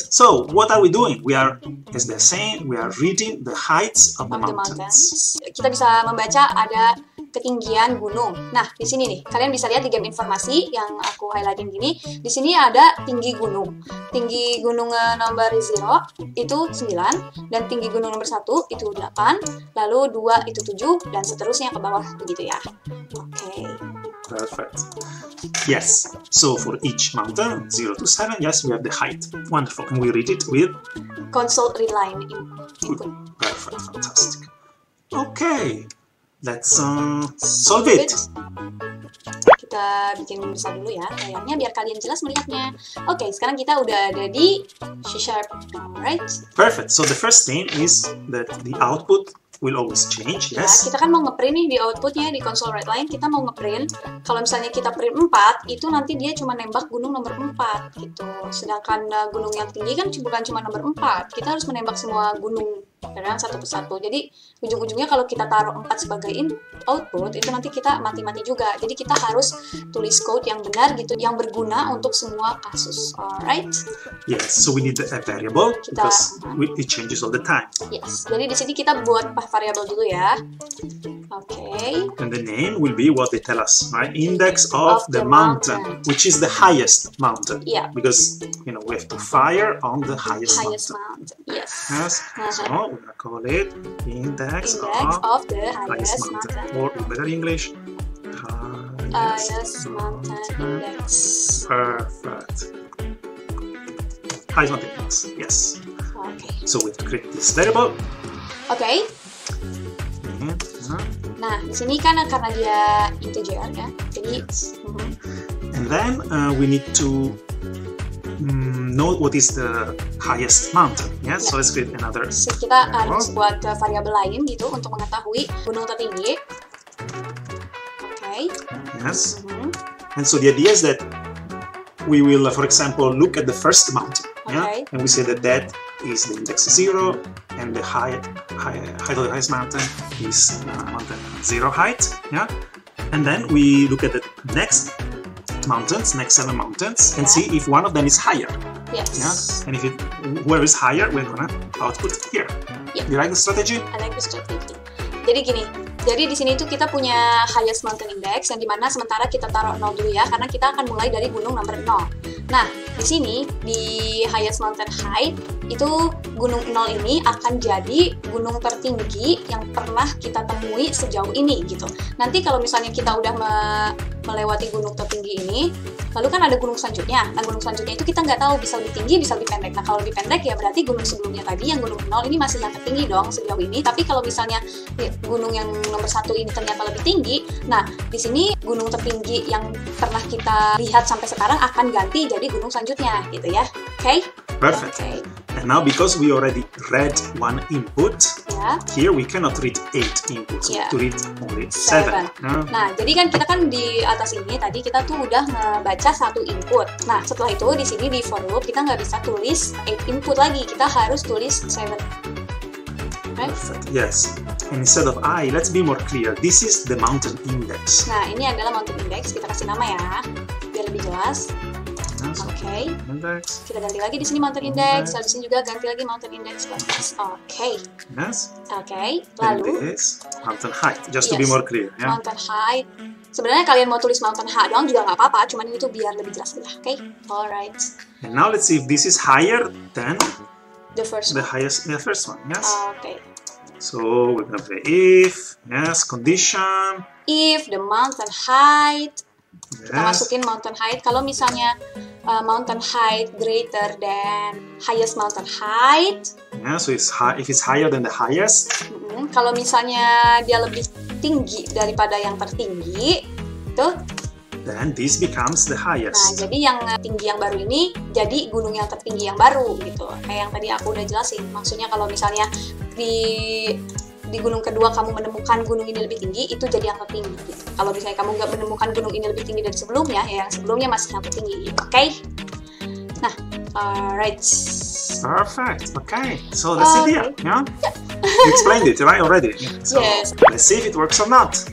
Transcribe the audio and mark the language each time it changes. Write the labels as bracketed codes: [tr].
[en] So what are we doing? We are, as they're saying, we are reading the heights of the mountains. [id] Kita bisa membaca ada ketinggian gunung. Nah, di sini nih, kalian bisa lihat di game informasi yang aku highlightin gini, di sini ada tinggi gunung. Tinggi gunung nomor 0 itu 9, dan tinggi gunung nomor 1 itu 8, lalu 2 itu 7, dan seterusnya ke bawah, begitu ya. Oke. [en] Okay. Perfect. Yes, so for each mountain, 0 to 7, yes, we have the height. Wonderful, and we read it with? Console read line. Perfect, fantastic. Okay. Let's solve it. [id] Kita bikin besar dulu ya, layarnya biar kalian jelas melihatnya. Oke, okay, sekarang kita udah ada di C sharp, right? [en] Perfect. So the first thing is that the output will always change. Yes. [id] Ya, kita kan mau ngeprint nih di outputnya di console write line. Kita mau ngeprint. Kalau misalnya kita print 4, itu nanti dia cuma nembak gunung nomor 4 gitu. Sedangkan gunung yang tinggi kan bukan cuma nomor 4. Kita harus menembak semua gunung. Karena satu persatu. Jadi ujung-ujungnya kalau kita taruh 4 sebagai output, itu nanti kita mati-mati juga. Jadi kita harus tulis code yang benar gitu, yang berguna untuk semua kasus. [en] Alright? Yes, so we need a variable kita, because it changes all the time. [id] Yes. Jadi di sini kita buat variable dulu ya. Okay. [en] And the name will be what they tell us, right? Index of the mountain, which is the highest mountain. Yeah. Because you know we have to fire on the highest, highest mountain. Yes. Yes. Uh-huh. So, we're gonna call it index of the highest mountain. Or in better English, highest mountain index. Perfect. Highest mountain index, yes. Okay. So we have to create this variable. Okay. And, [id] Nah, di sini kan karena dia integer, kan? Jadi, [en] yes. Mm-hmm. And then we need to know what is the highest mountain, yeah? Yeah. So let's create another. [id] So kita harus buat variabel lain gitu untuk mengetahui gunung tertinggi. [en] Okay. Yes. Mm-hmm. And so the idea is that we will, for example, look at the first mountain, okay. Yeah? And we say that that is the index 0, and the height of the highest mountain is mountain 0 height, yeah? And then we look at the next seven mountains, and see if one of them is higher. Yes. Yeah? And if it, where is higher, we're gonna output here. Yeah. You like the strategy? I like the strategy. [id] Jadi gini, jadi di sini tuh kita punya highest mountain index, yang dimana sementara kita taruh 0 dulu ya, karena kita akan mulai dari gunung nomor 0. Nah, di sini, di highest mountain height, itu gunung 0 ini akan jadi gunung tertinggi yang pernah kita temui sejauh ini, gitu. Nanti kalau misalnya kita udah melewati gunung tertinggi ini, lalu kan ada gunung selanjutnya. Nah, gunung selanjutnya itu kita nggak tahu bisa lebih tinggi, bisa lebih pendek. Nah, kalau lebih pendek ya berarti gunung sebelumnya tadi, yang gunung 0 ini masih yang tertinggi dong sejauh ini. Tapi kalau misalnya gunung yang nomor 1 ini ternyata lebih tinggi, nah, di sini gunung tertinggi yang pernah kita lihat sampai sekarang akan ganti jadi gunung selanjutnya, gitu ya. [en] Okay? Perfect. Okay. And now because we already read one input, yeah. Here we cannot read 8 inputs, yeah. To read only 7. [id] Yeah. Nah, jadi kan kita kan di atas ini tadi kita tuh udah ngebaca satu input. Nah, setelah itu di sini di for loop kita nggak bisa tulis 8 input lagi, kita harus tulis 7. Right? [en] Yes. And instead of I, let's be more clear. This is the mountain index. [id] Nah, ini adalah mountain index, kita kasih nama ya biar lebih jelas. [en] Okay. Index. [id] Kita ganti lagi di sini mountain index. Lalu di sini juga ganti lagi mountain index. Okay. [en] Yes. [id] Okay. Lalu [en] and this mountain height. Just to be more clear. Yeah? [id] Mountain height. Sebenarnya kalian mau tulis mountain height doang juga nggak apa-apa. Cuman ini tuh biar lebih jelas aja. Okay. Alright. [en] And now let's see if this is higher than the first one. The highest. The first one. Yes. Okay. So we're gonna play if. Yes. Condition. If the mountain height. Yes. [id] Kita masukin mountain height. Kalau misalnya mountain height [en] greater than [id] highest mountain height. [en] Yeah, so it's high, if it's higher than the highest. [id] Mm-hmm. Kalau misalnya dia lebih tinggi daripada yang tertinggi, itu. [en] Then this becomes the highest. [id] Nah, jadi yang tinggi yang baru ini jadi gunung yang tertinggi yang baru gitu. Kayak yang tadi aku udah jelasin. Maksudnya kalau misalnya di gunung kedua kamu menemukan gunung ini lebih tinggi, itu jadi yang tertinggi. Kalau misalnya kamu nggak menemukan gunung ini lebih tinggi dari sebelumnya, ya yang sebelumnya masih yang tertinggi. Oke? Okay? Nah, [en] rights. Perfect. Okay. So that's the idea. Okay. Yeah. You explained it right already. So, yes. Let's see if it works or not.